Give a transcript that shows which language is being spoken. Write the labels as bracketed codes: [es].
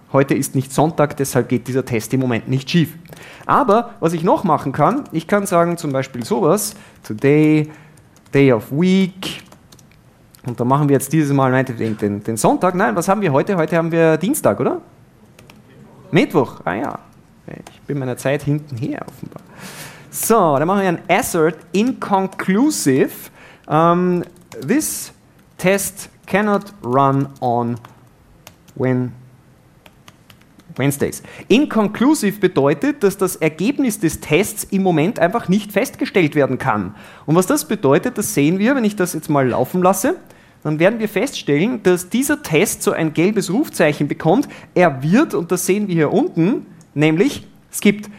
[de] Heute ist nicht Sonntag, deshalb geht dieser Test im Moment nicht schief. Aber was ich noch machen kann, ich kann sagen zum Beispiel sowas, today, day of week, und da machen wir jetzt dieses Mal den Sonntag. Nein, was haben wir heute? Heute haben wir Dienstag, oder? Mittwoch. Ah ja, ich bin meiner Zeit hinten her offenbar. So, dann machen wir ein Assert inconclusive. [en] This test cannot run on Wednesdays. [de] Inconclusive bedeutet, dass das Ergebnis des Tests im Moment einfach nicht festgestellt werden kann. Und was das bedeutet, das sehen wir, wenn ich das jetzt mal laufen lasse. Dann werden wir feststellen, dass dieser Test so ein gelbes Rufzeichen bekommt. Er wird, und das sehen wir hier unten, nämlich skippt.